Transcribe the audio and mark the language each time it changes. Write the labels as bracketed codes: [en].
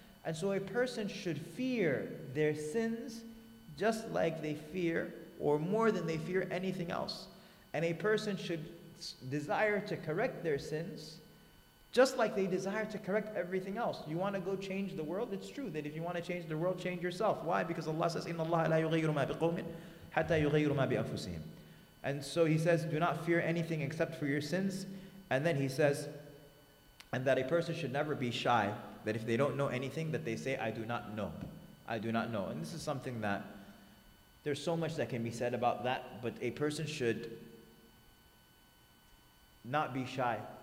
[en] And so a person should fear their sins just like they fear, or more than they fear anything else. And a person should desire to correct their sins just like they desire to correct everything else. You want to go change the world? It's true that if you want to change the world, change yourself. Why? Because Allah says, [ar] إِنَّ اللَّهَ لَا يُغَيِّرُ مَا بِقَوْمٍ حَتَّى يُغَيِّرُ مَا بِأَنفُسِهِمْ. [en] And so he says, do not fear anything except for your sins. And then he says, and that a person should never be shy, that if they don't know anything, that they say, I do not know. I do not know. And this is something that, there's so much that can be said about that, but a person should not be shy.